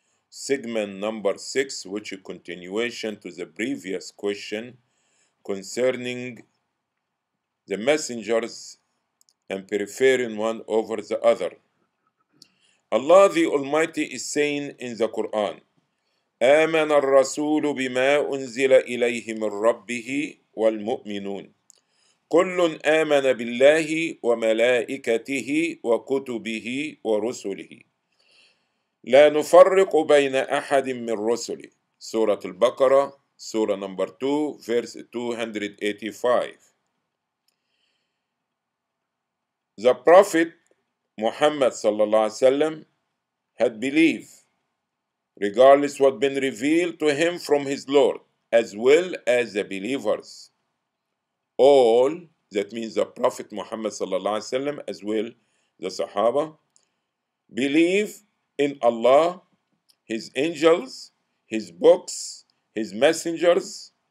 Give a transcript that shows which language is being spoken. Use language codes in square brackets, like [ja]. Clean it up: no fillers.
[en] Segment number 6, which is a continuation to the previous question concerning the messengers and preferring one over the other. Allah the Almighty is saying in the Quran, [ar] آمن الرسول بما أنزل إليه من ربه والمؤمنون كل آمن بالله وملائكته وكتبه ورسله لا نفرق بين أحد من رسله. سورة البقرة سورة نمبر 2 verse 285. [en] The Prophet Muhammad [ar] صلى الله عليه وسلم [en] had believed regardless what been revealed to him from his Lord, as well as the believers. All, that means the Prophet Muhammad sallallahu alaihi wasallam, as well the Sahaba, believe in Allah, his angels, his books, his messengers.